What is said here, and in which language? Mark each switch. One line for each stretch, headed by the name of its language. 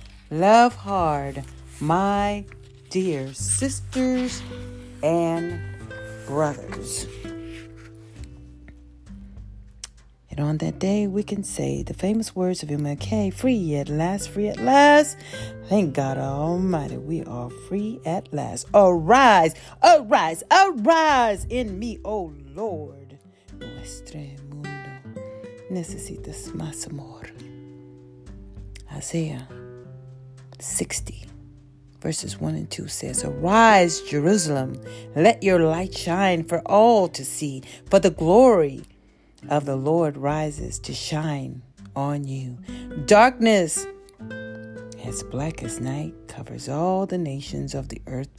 English: Love hard, my dear sisters and brothers. And on that day, we can say the famous words of MLK, free at last, free at last. Thank God Almighty, we are free at last. Arise, arise, arise in me, O Lord.
Spanish: Nuestro mundo necesita más amor.
English: Isaiah 60. Verses 1 and 2 says, arise, Jerusalem, let your light shine for all to see. For the glory of the Lord rises to shine on you. Darkness, as black as night, covers all the nations of the earth.